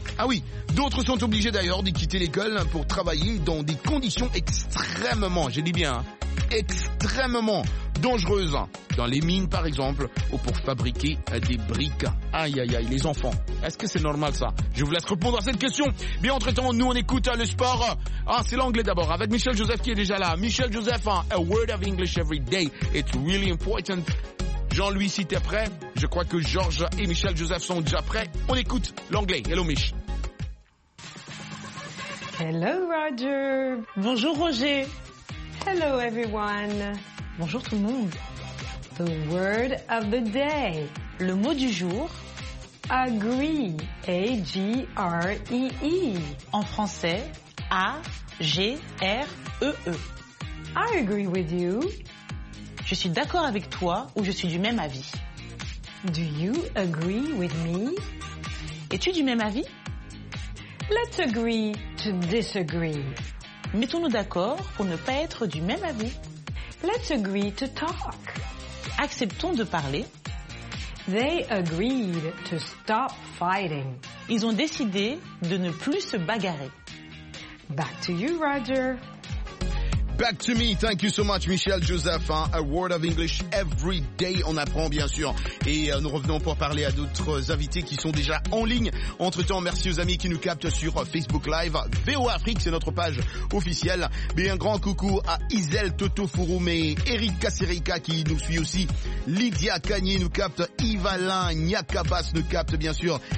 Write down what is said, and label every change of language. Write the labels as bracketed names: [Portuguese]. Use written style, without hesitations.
[French] Ah oui, d'autres sont obligés d'ailleurs de quitter l'école pour travailler dans des conditions extrêmement, j'ai dit bien, extrêmement dangereuses. Dans les mines par exemple, ou pour fabriquer des briques. Aïe, aïe, aïe, les enfants. Est-ce que c'est normal ça? Je vous laisse répondre à cette question. Bien entre-temps, nous on écoute le sport. Ah, c'est l'anglais d'abord, avec Michel Joseph qui est déjà là. [English] Michel Joseph, a word of English every day. It's really important. [French] Jean-Louis, si t'es prêt, je crois que Georges et Michel Joseph sont déjà prêts. On écoute l'anglais. [English] Hello, Mich. Hello, Roger. [French] Bonjour, Roger. [English] Hello, everyone. [French] Bonjour, tout le monde. [English] The word of the day. [French] Le mot du jour. [English] Agree. A-G-R-E-E. [French] En français, A-G-R-E-E. [English] I agree with you. [French] Je suis d'accord avec toi ou je suis du même avis. [English] Do you agree with me? [French] Es-tu du même avis? [English] Let's agree to disagree. [French] Mettons-nous d'accord pour ne pas être du même avis. [English] Let's agree to talk. [French] Acceptons de parler. [English] They agreed to stop fighting. [French] Ils ont décidé de ne plus se bagarrer. [English] Back to you, Roger. Back to me. Thank you so much, Michel Joseph. A word of English every day. [French] On apprend, bien sûr. Et nous revenons pour parler à d'autres invités qui sont déjà en ligne. Entre temps, merci aux amis qui nous captent sur Facebook Live. VO Afrique, c'est notre page officielle. Mais un grand coucou à Isel Toto Furume, Eric Kasserika qui nous suit aussi. Lydia Kanye nous capte. Yvalin Nyakabas nous capte, bien sûr.